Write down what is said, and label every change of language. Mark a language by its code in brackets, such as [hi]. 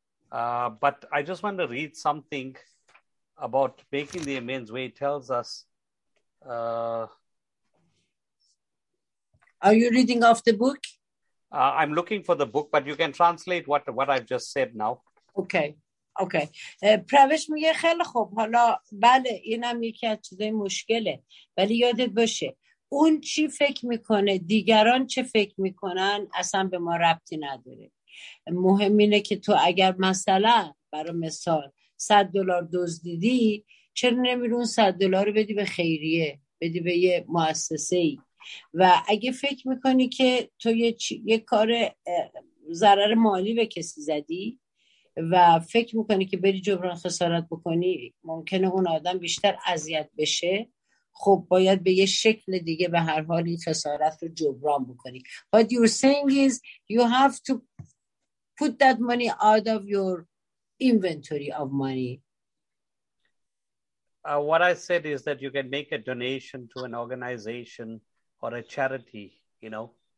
[en] But I just want to read something about making the amends where it tells us. Are you reading off the book? I'm looking for the book, but you can translate what I've just said now. Okay. Okay. [fa] پروش میگه خیلی خوب، حالا بله اینم یکی از چیزای مشکله، ولی یادت باشه اون چی فکر میکنه، دیگران چه فکر میکنن اصلا به ما ربطی نداره. مهم اینه که تو اگر مثلا برای مثال $100 دزدیدی، چرا نمیری اون $100 رو بدی به خیریه، بدی به یه مؤسسه‌ای؟ و اگه فکر میکنی که تو یه کار ضرر مالی به کسی زدی و فکر میکنی که بری جبران خسارت بکنی ممکنه اون آدم بیشتر اذیت بشه، خب باید به یه شکل دیگه به هر حال این خسارت رو جبران بکنی. [en] But your saying is you have to put that money out of your inventory of money. What I said is that you can make a donation to an organization or a charity, you know.